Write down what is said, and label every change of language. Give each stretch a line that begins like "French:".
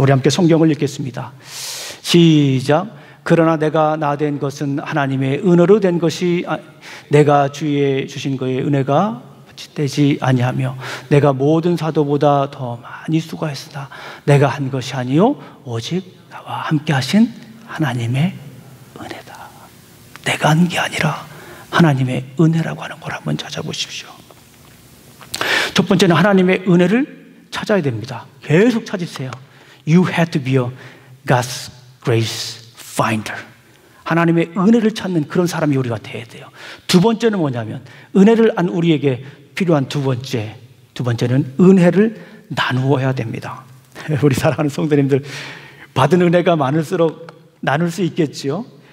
Korean: 우리 함께 성경을 읽겠습니다. 시작. 그러나 내가 나된 것은 하나님의 은혜로 된 것이 내가 주의해 주신 그의 은혜가 되지 아니하며 내가 모든 사도보다 더 많이 수고했으나 내가 한 것이 아니요 오직 나와 함께 하신 하나님의 은혜다. 내가 한 게 아니라 하나님의 은혜라고 하는 걸 한번 찾아보십시오. 첫 번째는 하나님의 은혜를 찾아야 됩니다. 계속 찾으세요.
English: You have to be a God's grace finder.
Korean: 하나님의 은혜를 찾는 그런 사람이 우리가 돼야 돼요. 두 번째는 뭐냐면 은혜를 안 우리에게 필요한 두 번째는 은혜를 나누어야 됩니다. 우리 사랑하는 성도님들, 받은 은혜가 많을수록 나눌 수 있겠지요?